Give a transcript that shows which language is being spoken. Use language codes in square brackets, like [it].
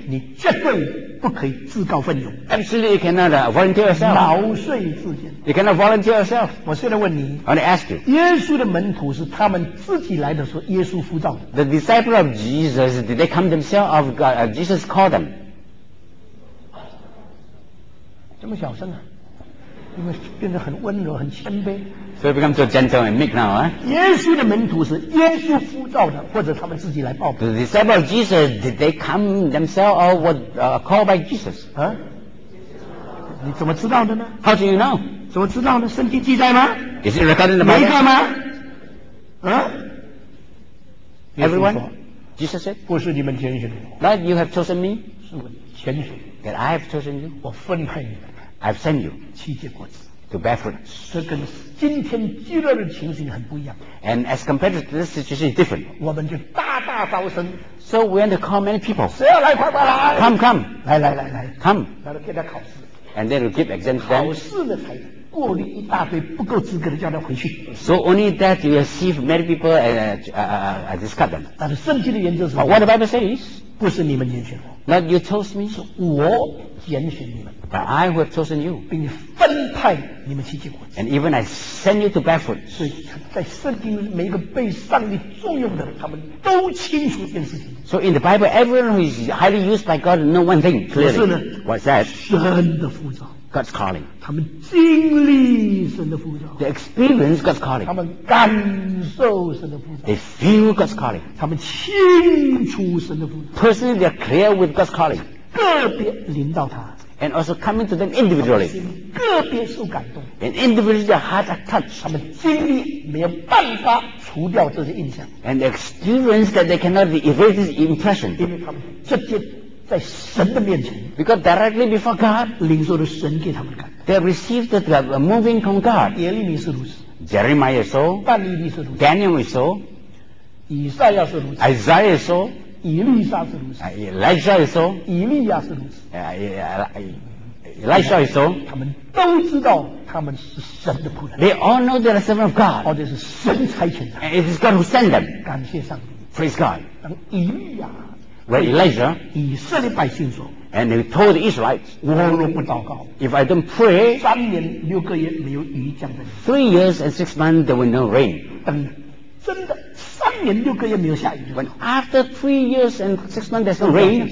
[zh] 你绝对不可以自告奋勇。 [en] Absolutely, you cannot volunteer yourself. [zh] 毛遂自荐。 [en] You cannot volunteer yourself. [zh] 我现在问你。 [en] I want to ask you. [zh] 耶稣的门徒是他们自己来的时候，耶稣呼召的。 [en] The disciples of Jesus, did they come themselves of God? Jesus called them. [zh] 这么小声啊。因为变得很温柔，很谦卑。 [en] So it becomes so gentle and meek now, eh? [zh] 耶稣的门徒是耶稣呼召的，或者他们自己来报名。 [en] The disciples of Jesus, did they come themselves or were called by Jesus? [zh] 你怎么知道的呢？ [en] How do you know? [zh] 怎么知道呢？圣经记载吗？ [en] Is it recorded in the Bible? [zh] 每一个吗？ [en] Everyone? Jesus said? [zh] 不是你们拣选的。 [en] Not you have chosen me? [zh] 是我拣选。 [en] That I have chosen you? [zh] 我分派你。 [en] I've sent you [zh] 七节果子 [en] to bear fruit. [zh] 这跟今天基督的情形很不一样。 [en] And as compared to this situation, it's different. [zh] 我们就大大招生。 [en] So we want to call many people. [zh] 谁要来，快快来 [en] ！Come, come. [zh] 来来来来 [en] ，Come. [zh] 然后给他考试。 [en] And then we'll give exams to them. [zh] 考试了才过滤一大堆不够资格的，叫他回去。 [en] So only that you receive many people and discard them. [zh] 但是圣经的原则是什么 [en] ？But what the Bible says? [zh] 不是你们拣选我。 [en] Not you chose me. [zh] 是我拣选你们。 [en] But I have chosen you, [zh] 并分派你们去结果子。 [en] And even I send you to bear fruit. [zh] 所以在圣经每一个被上帝重用的人，他们都清楚一件事情。 [en] So in the Bible, everyone who is highly used by God know one thing clearly. [zh] 是呢 [en] What's that? [zh] 神的呼召。 [en] God's calling. [zh] 他们经历神的呼召。 [en] They experience God's calling. [zh] 他们感受神的呼召。 [en] They feel God's calling. [zh] 他们清楚神的呼召。 [en] Personally, they are clear with God's calling. [zh] 个别临到他。 [en] And also coming to them individually. [zh] 个别受感动。 [en] And individually, their hearts are touched. [zh] 他们经历没有办法除掉这些印象。 [en] And experience that they cannot erase this impression. [zh] 因为他们直接在神的面前。 [en] Because directly before God, [zh] 领受了神给他们的感动。 [en] They received the moving from God. [zh] 耶利米是如此。 [en] Jeremiah is so. [zh] 但以利是如此。 [en] Daniel is so. [zh] 以赛亚是如此。 [en] Isaiah is so. [zh] 以利沙是如此 [en] ，Elijah is so， [zh] 以利亚是如此 [en] ，Elijah is so， [zh] 他们都知道他们是神的仆人 [en] ，They all know they are servant of God， [zh] 或者是神差遣他 [en] ，It is God who sent them， [zh] 感谢上帝 [en] ，Praise God， [zh] 当以利亚 [en] ，When Elijah， [zh] 以色列百姓说 [en] ，And he told the Israelites， [zh] 我若不祷告 [en] ，If I don't pray， [zh] 三年六个月没有雨降在 [en] ，Three years and six months there were no rain， [zh] 等真的。三年六个月没有下雨。 [en] When after three years and six months there's no rain,